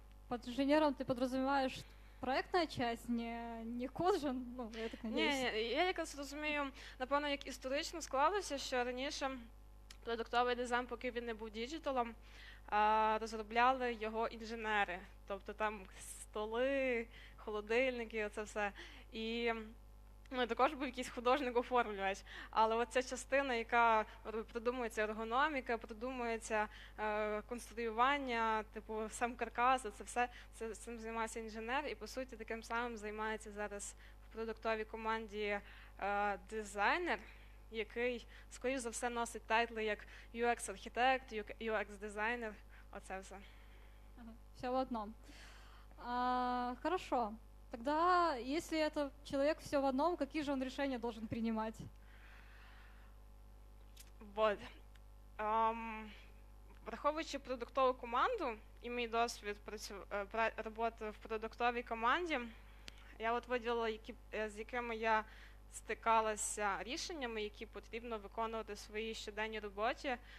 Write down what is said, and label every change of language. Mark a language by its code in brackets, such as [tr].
[uk] Під інженером ти підрозумієш проєктна частина, не кожен, ну, я так надіюсь. Ні, я якось розумію, напевно, як історично склалося, що раніше продуктовий дизайн, поки він не був діджиталом, розробляли його інженери. Тобто там столи, холодильники, оце все. І ну, також був якийсь художник оформлювач, але оця частина, яка продумується ергономіка, продумується конструювання, типу сам каркас, це все, цим займається інженер, і по суті таким самим займається зараз в продуктовій команді дизайнер, який, скоріш за все, носить тайтли як UX-архітект, UX-дизайнер, оце все. Все в одному. [ru] Хорошо. Тогда, если это человек все в одном, какие же он решения должен принимать? Вот. [uk] Враховуючи продуктову команду і мій досвід роботи в продуктовій команді, я от виділила, з якими я стикалася рішеннями, які потрібно виконувати в своїй щоденній роботі.